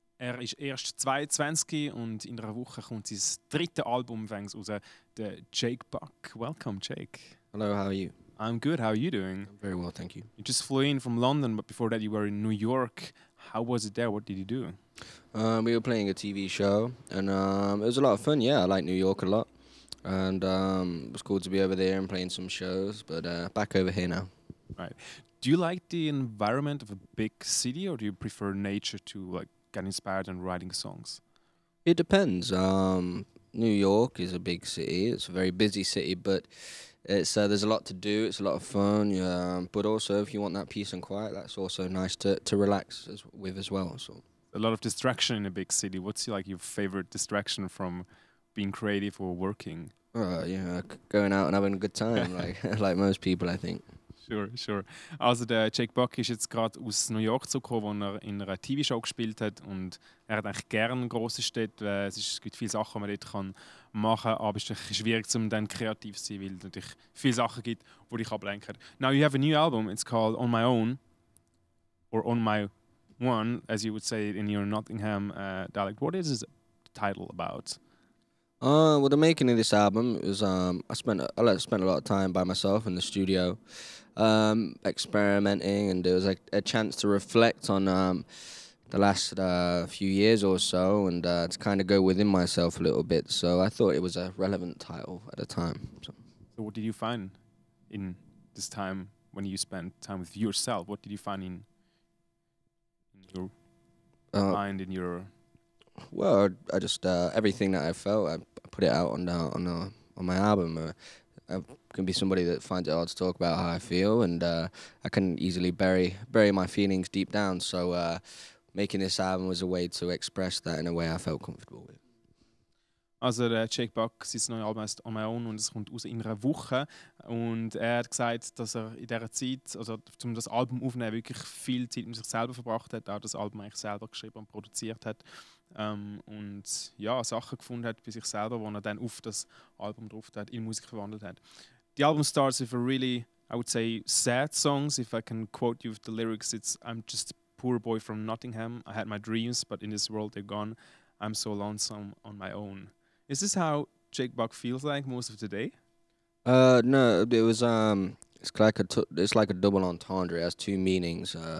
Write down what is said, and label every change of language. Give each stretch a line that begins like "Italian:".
German: Er ist erst 22 und in einer Woche kommt sein drittes Album raus, der Jake Bugg.
English: Welcome, Jake. Hello, how are you? I'm good, how are you doing? I'm very well, thank you. You just flew in from London, but before that you were in New York. How was it there? What did you do? We were playing a TV show and it was a lot of fun. Yeah, I like New York a lot. And it was cool to be over there and playing some shows, but back over here now. Right. Do you like the environment of a big city or do you prefer nature to like get inspired and writing songs? It depends. New York is a big city. It's a very busy city, but it's there's a lot to do. It's a lot of fun. But also, if you want that peace and quiet, that's also nice to relax with as well. So a lot of distraction in a big city. What's like your favorite distraction from being creative or working? Going out and having a good time, like most people, I think. Sure.
German: Also der Jake Bugg ist jetzt gerade aus New York zurückgekommen, wo er in einer TV-Show gespielt hat und er hat eigentlich gerne grosse Städte, weil es gibt viele Sachen, die man dort kann machen kann, aber es ist schwierig, um dann kreativ zu sein, weil es natürlich viele Sachen gibt, die dich ablenken.
English: Now you have a new album, it's called On My Own, or On My One, as you would say in your Nottingham dialect. What is the title about? The making of this album is I spent a lot of time by myself in the studio, experimenting, and it was a chance to reflect on the last few years or so, and to kind of go within myself a little bit. So I thought it was a relevant title at the time. So what did you find in this time when you spent time with yourself? What did you find in your mind, in your? Well, I just everything that I felt. I put it out on my album. I can be somebody that finds it hard to talk about how I feel, and I can easily bury my feelings deep down. So making this album was a way to express that in a way I felt comfortable with.
German: Also der Jake Bugg, sein neues Album heißt On My Own und es kommt raus in einer Woche. Und er hat gesagt, dass er in dieser Zeit, also um das Album aufzunehmen, wirklich viel Zeit mit sich selber verbracht hat, auch das Album eigentlich selber geschrieben und produziert hat. Und ja, Sachen gefunden hat bei sich selber, die er dann auf das Album drauf hat, in Musik verwandelt hat.
English: The album starts with a really, I would say, sad songs. If I can quote you with the lyrics, it's I'm just a poor boy from Nottingham. I had my dreams, but in this world they're gone. I'm so lonesome on my own. Is this how Jake Bugg feels like most of the day? No, it was it's like a double entendre. It has two meanings.